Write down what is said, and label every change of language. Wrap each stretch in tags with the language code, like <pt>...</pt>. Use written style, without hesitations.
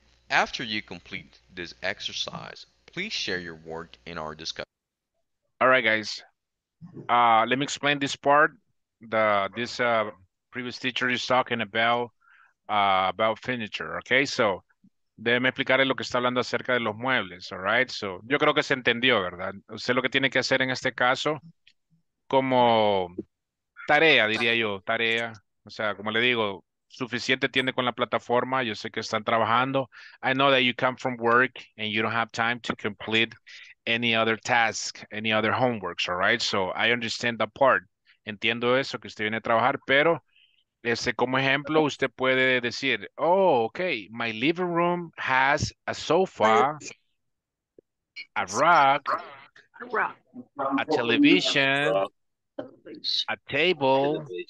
<en>After you complete this exercise, please share your work in our discussion. All right, guys. Let me explain this part. This previous teacher is talking about furniture, okay?</en> <es>So, déjeme explicarle lo que está hablando acerca de los muebles,</es> <en>all right?</en> <es>So, yo creo que se entendió, ¿verdad? Usted lo que tiene que hacer en este caso, como tarea, diría yo, tarea. O sea, como le digo, suficiente tiene con la plataforma. Yo sé que están trabajando.</es> <en>I know that you come from work and you don't have time to complete any other task, any other homeworks, all right? So, I understand that part.</en> <es>Entiendo eso, que usted viene a trabajar, pero como ejemplo, usted puede decir,</es> <en>oh, okay, my living room has a sofa, a rug, a television, a table.</en>